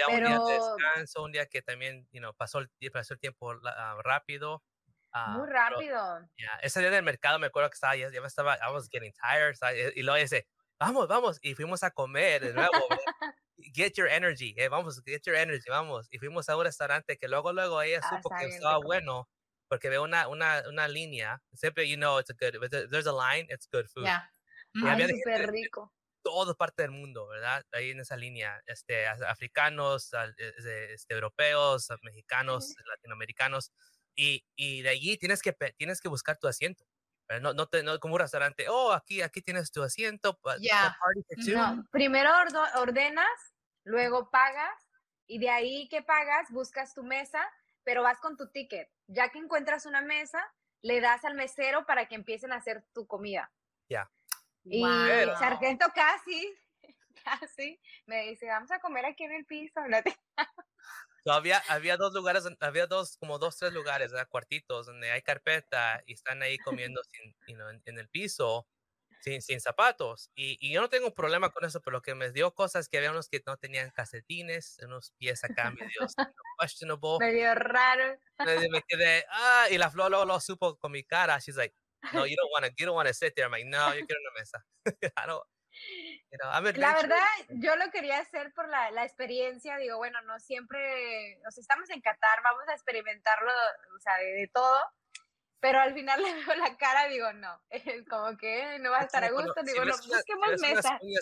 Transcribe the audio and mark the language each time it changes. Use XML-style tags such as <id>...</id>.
<es>Pero había un día de descanso, un día que también,</es> <en>you know,</en> <es>pasó el tiempo rápido. Muy rápido. Ese día en el mercado me acuerdo que estaba, ya me estaba,</es> <en>I was getting tired,</en> <es>y luego dice, vamos, vamos, y fuimos a comer de nuevo.</es> <en>get your energy,</en> <es>vamos. Y fuimos a un restaurante que luego ella supo que estaba bueno. Porque veo una línea, siempre,</es> <en>you know, it's a good, there's a line, it's good food.</en> <es>Yeah. Ay, súper rico. Toda parte del mundo, ¿verdad? Ahí en esa línea, africanos, europeos, mexicanos, sí. Latinoamericanos, y de allí tienes que buscar tu asiento, ¿verdad? No como un restaurante, aquí tienes tu asiento. Yeah.</es> <en>Party for two. No.</en> <es>Primero ordenas, luego pagas, y de ahí que pagas, buscas tu mesa, pero vas con tu ticket. Ya que encuentras una mesa, le das al mesero para que empiecen a hacer tu comida. Ya. Yeah. Y wow. Sargento casi me dice, vamos a comer aquí en el piso. No te... so había dos lugares, había dos, como dos, tres lugares, ¿verdad? Cuartitos donde hay carpeta y están ahí comiendo sin,</es> <en>you know,</en> <es>en el piso, sin zapatos. Y yo no tengo un problema con eso, pero lo que me dio cosas es que había unos que no tenían calcetines, unos pies acá medio</es> <en>questionable.</en> <es>Medio raro. Me quedé, y la Flor lo supo con mi cara.</es> <en>She's like, no, you don't want to sit there. I'm like, no,</en> <es>yo quiero una mesa. La verdad, yo lo quería hacer por la experiencia. Digo, bueno, no siempre, o sea, estamos en Qatar, vamos a experimentarlo, o sea, de todo. Pero al final le veo la cara, digo, no, como que no va a estar a gusto. Digo, no, busquemos mesa.</es>